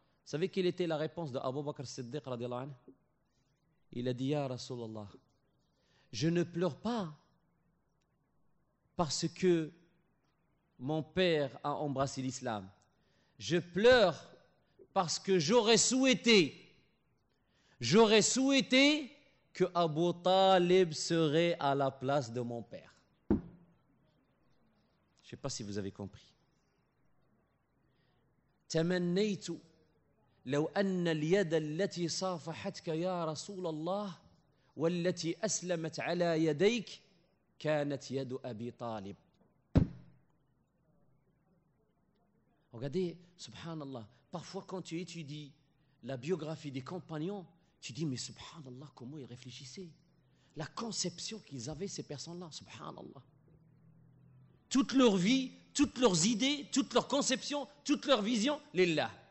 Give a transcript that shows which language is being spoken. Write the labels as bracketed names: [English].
[French] Vous savez quelle était la réponse de Abu Bakr Siddiq radiallahu anhu? Il a dit, ya Rasulallah, je ne pleure pas parce que mon père a embrassé l'islam. Je pleure parce que j'aurais souhaité que Abu Talib serait à la place de mon père. Je ne sais pas si vous avez compris. [Arabic] Tamannaytu لو أن اليد التي صافحتك يا رسول الله والتي أسلمت على يديك كانت يد أبي طالب. [French] Regardez, subhanallah, parfois quand tu étudies la biographie des compagnons, tu dis, mais subhanallah, comment ils réfléchissaient? La conception qu'ils avaient, ces personnes-là, subhanallah. Toute leur vie, toutes leurs idées, toutes leurs conceptions, toutes leurs visions, lillah.